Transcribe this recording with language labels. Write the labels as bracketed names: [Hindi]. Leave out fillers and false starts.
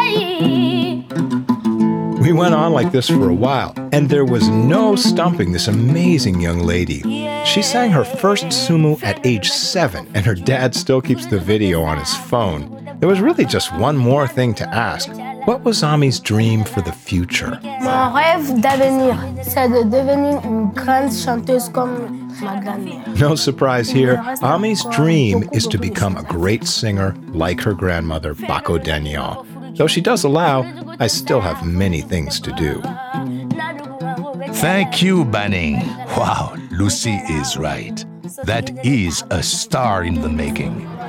[English] We went on like this for a while, and there was no stumping this amazing young lady. She sang her first sumu at age 7, and her dad still keeps the video on his phone. There was really just one more thing to ask. What was Ami's dream for the future? [French] Mon rêve d'avenir, c'est de devenir une grande chanteuse comme ma grand-mère. [English] No surprise here. Ami's dream is to become a great singer like her grandmother, Bako Daniel. Though she does allow, I still have many things to do. Thank you, Banning. Wow, Lucy is right. That is a star in the making.